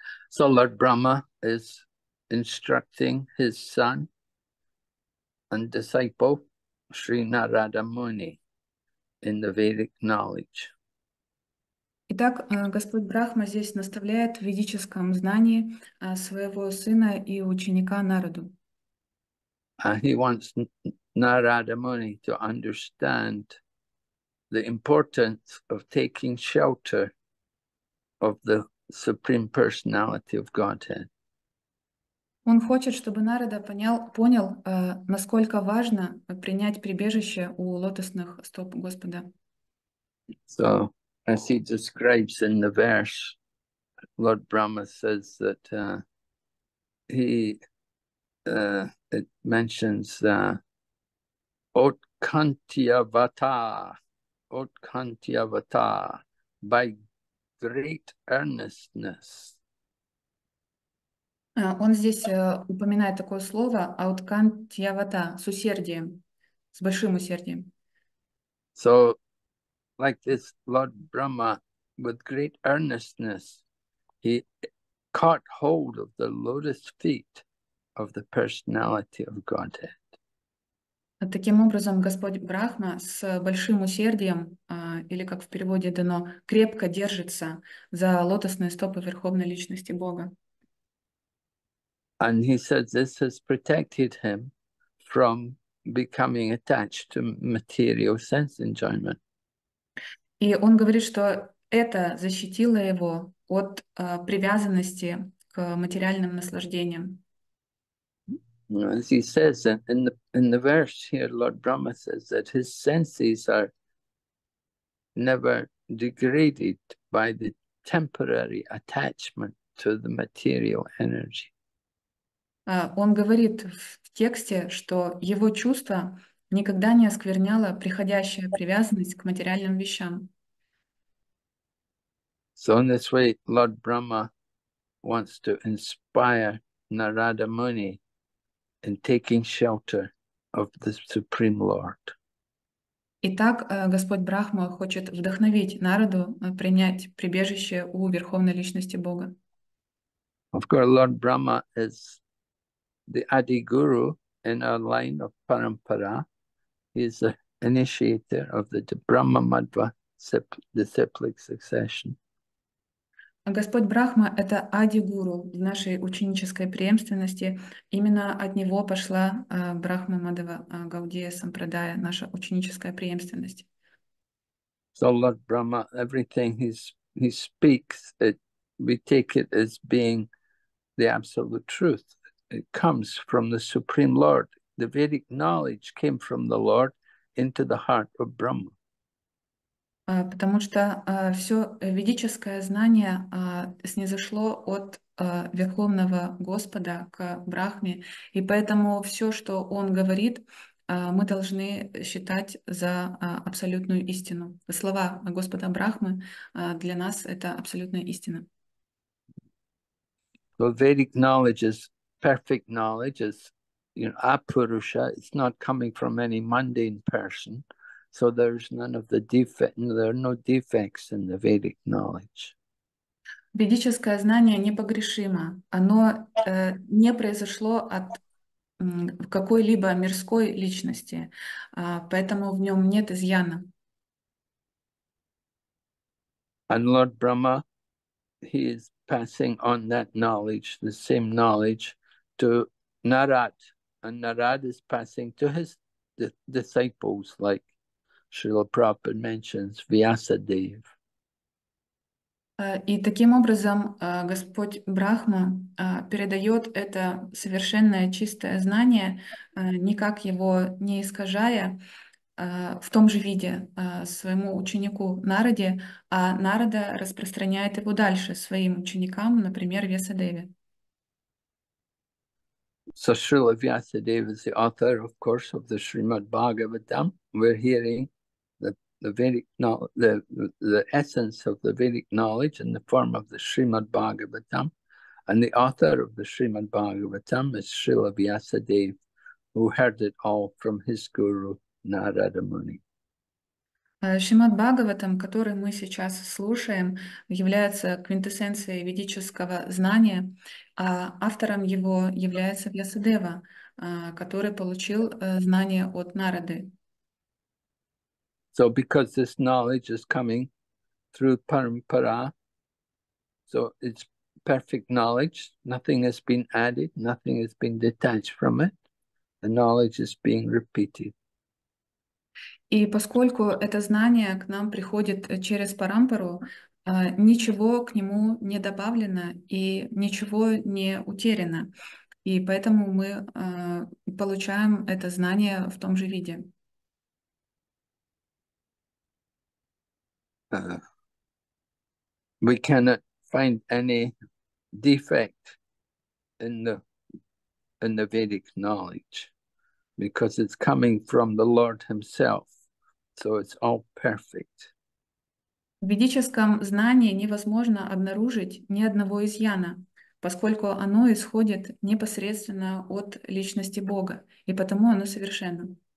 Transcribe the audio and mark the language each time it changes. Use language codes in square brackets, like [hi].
[en] So Lord Brahma is instructing his son and disciple Shri Narada Muni in the Vedic knowledge. [ru] Итак, Господь Брахма здесь наставляет в ведическом знании своего сына и ученика Нараду. [en] He wants Narada Muni to understand the importance of taking shelter of the Supreme Personality of Godhead. [ru] Он хочет, чтобы Нарада понял, насколько важно принять прибежище у лотосных стоп Господа. [en] So, as he describes in the verse, Lord Brahma says that it mentions Otkantiyavata, by great earnestness. [ru] Он здесь упоминает такое слово «ауткантьявата» — с усердием, с большим усердием. [en] So, like this, Lord Brahma, with great earnestness, He caught hold of the lotus feet of the personality of Godhead. [ru] Таким образом, Господь Брахма с большим усердием, или как в переводе дано, крепко держится за лотосные стопы Верховной Личности Бога. [en] And he said this has protected him from becoming attached to material sense enjoyment. [ru] И он говорит, что это защитило его от привязанности к материальным наслаждениям. [en] As he says in the verse here, Lord Brahma says that his senses are never degraded by the temporary attachment to the material energy. [ru] Он говорит в тексте, что его чувство никогда не оскверняло приходящая привязанность к материальным вещам. [en] So in this way, Lord Brahma wants to inspire Narada Muni in taking shelter of the Supreme Lord. [ru] Итак, Господь Брахма хочет вдохновить Нараду принять прибежище у Верховной Личности Бога. [en] Of course, Lord Brahma is the Adi Guru in our line of parampara. He is the initiator of the Brahma Madhva the cyclic succession. [ru] Господь Брахма — это ади-гуру в нашей ученической преемственности. Именно от него пошла Брахма Мадава Гаудия Сампрадая, наша ученическая преемственность. [en] So Lord Brahma, everything he speaks, we take it as being the absolute truth. It comes from the Supreme Lord. The Vedic knowledge came from the Lord into the heart of Brahma. [ru] Потому что все ведическое знание снизошло от Верховного Господа к Брахме, и поэтому все, что он говорит, мы должны считать за абсолютную истину. Слова Господа Брахмы для нас — это абсолютная истина. [en] So Vedic knowledge is perfect knowledge, is, you know, apurusha. It's not coming from any mundane person. So there's none of the defect, there are no defects in the Vedic knowledge. [ru] Ведическое знание непогрешимо. Оно не произошло от какой-либо мирской личности, поэтому в нем нет изъяна. [en] And Lord Brahma, he is passing on that knowledge, the same knowledge, to Narad. And Narad is passing to his disciples, like Srila Prabhupada mentions Vyasa Dev. [ru] И таким образом Господь Брахма передает это совершенное чистое знание, никак его не искажая, в том же виде своему ученику Нараде, а Нарада распространяет его дальше своим ученикам, например, Вьяса Деве. [en] So Srila Vyasa Dev is the author, of course, of the Srimad Bhagavatam. We're hearing the essence of the Vedic knowledge in the form of the Srimad Bhagavatam, and the author of the Srimad Bhagavatam is Srila Vyasa Dev, who heard it all from his guru Narada Muni. [ru] Шримад Бхагаватам, который мы сейчас слушаем, является квинтэссенцией ведического знания, а автором его является Вьясадева, который получил знание от Нарады. [en] So because this knowledge is coming through parampara, so it's perfect knowledge, nothing has been added, nothing has been detached from it, the knowledge is being repeated. [ru] И поскольку это знание к нам приходит через парампару, ничего к нему не добавлено и ничего не утеряно. И поэтому мы получаем это знание в том же виде. [en] We cannot find any defect in the Vedic knowledge because it's coming from the Lord himself. So it's all perfect. [ru] В ведическом знании невозможно обнаружить ни одного изъяна, поскольку оно исходит непосредственно от личности Бога, и потому оно совершенно.